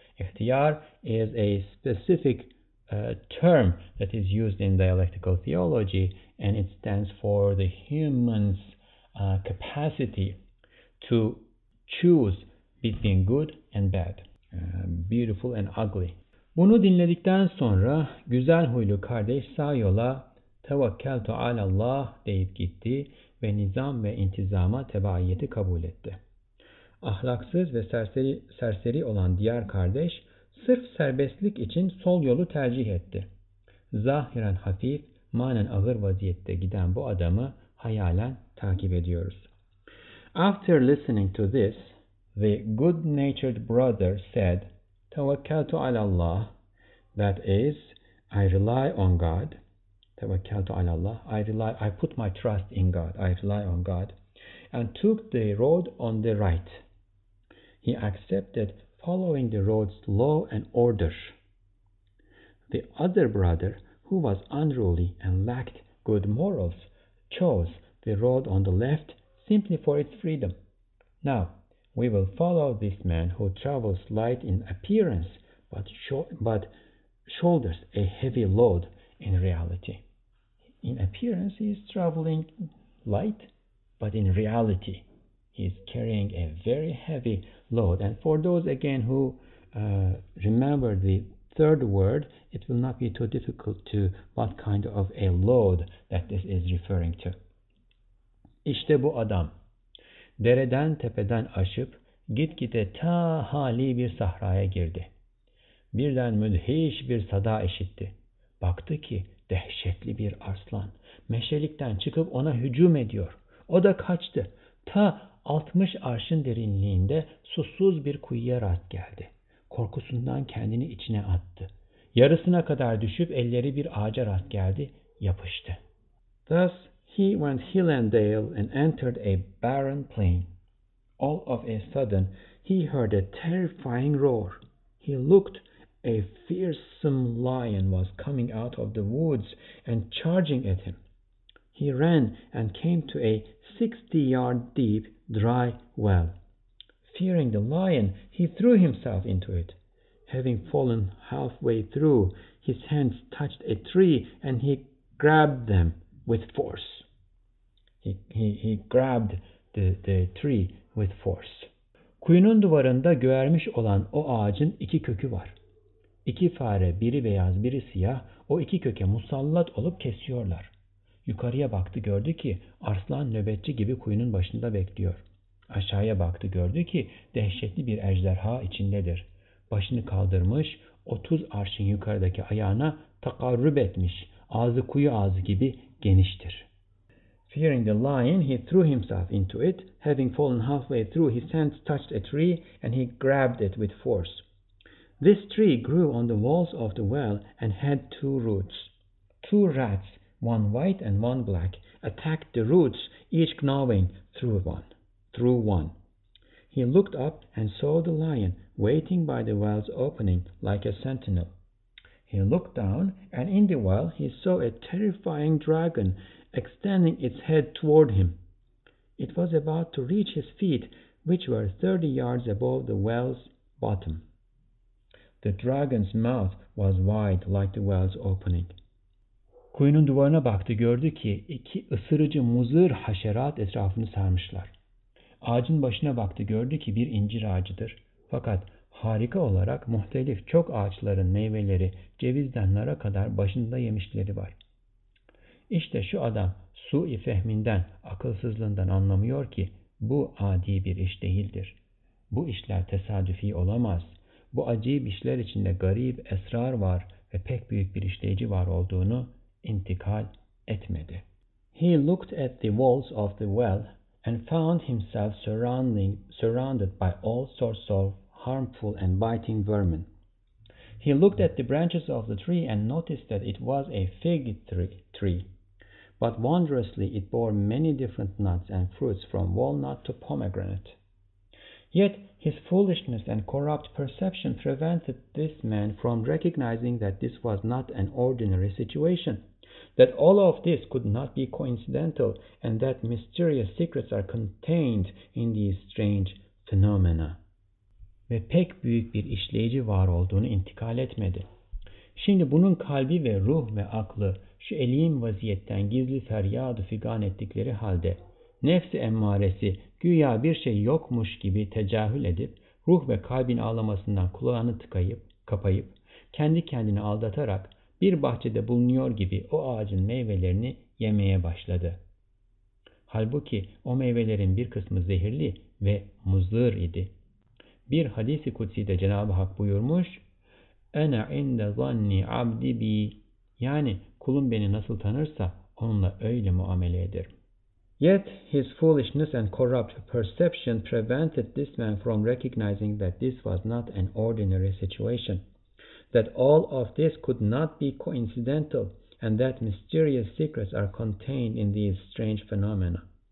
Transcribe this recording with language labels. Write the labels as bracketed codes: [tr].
[en] Ihtiyar is a specific term that is used in dialectical theology, and it stands for the human's capacity to choose between good and bad, beautiful and ugly. [tr] Bunu dinledikten sonra güzel huylu kardeş sağ yola tevekkeltu alallah deyip gitti ve nizam ve intizama tebaiyeti kabul etti. Ahlaksız ve serseri olan diğer kardeş sırf serbestlik için sol yolu tercih etti. Zahiren hafif, manen ağır vaziyette giden bu adamı hayalen takip ediyoruz. [en] After listening to this, the good-natured brother said, [ar] "Tawakkaltu alallah," [en] that is, I rely on God. [ar] Tawakkaltu alallah, [en] I put my trust in God, I rely on God. And took the road on the right. He accepted following the road's law and order. The other brother, who was unruly and lacked good morals, chose the road on the left simply for its freedom. Now, we will follow this man who travels light in appearance, but shoulders a heavy load in reality. In appearance, he is traveling light, but in reality, he is carrying a very heavy load. And for those again who remember the third word, it will not be too difficult to what kind of a load that this is referring to. [tr] İşte bu adam. Dereden tepeden aşıp gitgide ta hali bir sahraya girdi. Birden müdhiş bir sada işitti. Baktı ki dehşetli bir aslan meşelikten çıkıp ona hücum ediyor. O da kaçtı. Ta 60 arşın derinliğinde susuz bir kuyuya rast geldi. Korkusundan kendini içine attı. Yarısına kadar düşüp elleri bir ağaca rast geldi, yapıştı. [en] Thus he went hill and dale and entered a barren plain. All of a sudden he heard a terrifying roar. He looked, a fearsome lion was coming out of the woods and charging at him. He ran and came to a 60-yard deep dry well. Fearing the lion, he threw himself into it. Having fallen halfway through, his hands touched a tree and he grabbed them with force. He grabbed the tree with force. [tr] Kuyunun duvarında göğermiş olan o ağacın iki kökü var. İki fare, biri beyaz, biri siyah, o iki köke musallat olup kesiyorlar. Yukarıya baktı, gördü ki arslan nöbetçi gibi kuyunun başında bekliyor. Aşağıya baktı, gördü ki dehşetli bir ejderha içindedir. Başını kaldırmış, 30 arşın yukarıdaki ayağına takarrüb etmiş. Ağzı kuyu ağzı gibi geniştir. [en] Fearing the lion, he threw himself into it. Having fallen halfway through, his hands touched a tree and he grabbed it with force. This tree grew on the walls of the well and had two roots. Two rats, one white and one black, attacked the roots, each gnawing through one. He looked up and saw the lion waiting by the well's opening like a sentinel. He looked down, and in the well he saw a terrifying dragon extending its head toward him. It was about to reach his feet, which were 30 yards above the well's bottom. The dragon's mouth was wide like the well's opening. [tr] Kuyunun duvarına baktı, gördü ki iki ısırıcı muzır haşerat etrafını sarmışlar. Ağacın başına baktı, gördü ki bir incir ağacıdır. Fakat harika olarak muhtelif çok ağaçların meyveleri cevizden nara kadar başında yemişleri var. İşte şu adam su-i fehminden, akılsızlığından anlamıyor ki bu adi bir iş değildir. Bu işler tesadüfi olamaz. Bu acib işler içinde garip esrar var ve pek büyük bir işleyici var olduğunu intikal etmedi. [en] He looked at the walls of the well and found himself surrounded by all sorts of harmful and biting vermin. He looked at the branches of the tree and noticed that it was a fig tree. But wondrously, it bore many different nuts and fruits from walnut to pomegranate. Yet his foolishness and corrupt perception prevented this man from recognizing that this was not an ordinary situation, that all of this could not be coincidental, and that mysterious secrets are contained in these strange phenomena. [tr] Ve pek büyük bir işleyici var olduğunu intikal etmedi. Şimdi bunun kalbi ve ruh ve aklı şu elim vaziyetten gizli feryadı figan ettikleri halde, nefsi emmaresi güya bir şey yokmuş gibi tecahül edip, ruh ve kalbin ağlamasından kulağını tıkayıp, kapayıp, kendi kendini aldatarak, bir bahçede bulunuyor gibi o ağacın meyvelerini yemeye başladı. Halbuki o meyvelerin bir kısmı zehirli ve muzdur idi. Bir hadis-i kutsi'de Cenab-ı Hak buyurmuş, [ar] اَنَا عِنْدَ ظَنِّ عَبْدِ بِي [tr] Yani kulum beni nasıl tanırsa onunla öyle muamele ederim. [en] Yet his foolishness and corrupt perception prevented this man from recognizing that this was not an ordinary situation, that all of this could not be coincidental, and that mysterious secrets are contained in these strange phenomena.